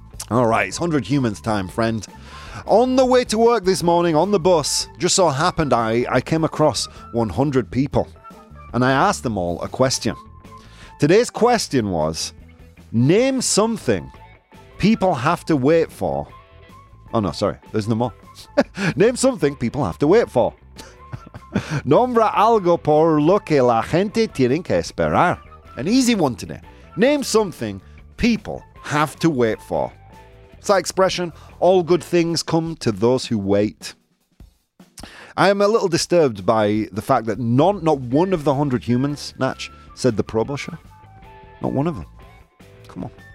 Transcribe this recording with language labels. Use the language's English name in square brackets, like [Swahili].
[English] All right, it's 100 humans time, friend. On the way to work this morning on the bus, just so happened I came across 100 people. And I asked them all a question. Today's question was, name something people have to wait for. Oh no, sorry, there's no more. Name something people have to wait for. [Spanish] Nombra algo por lo que la gente tiene que esperar. [English] An easy one today. Name something people have to wait for. It's that expression, all good things come to those who wait. I am a little disturbed by the fact that not one of the 100 humans, Natch, said the Probo Show. Not one of them. Come on.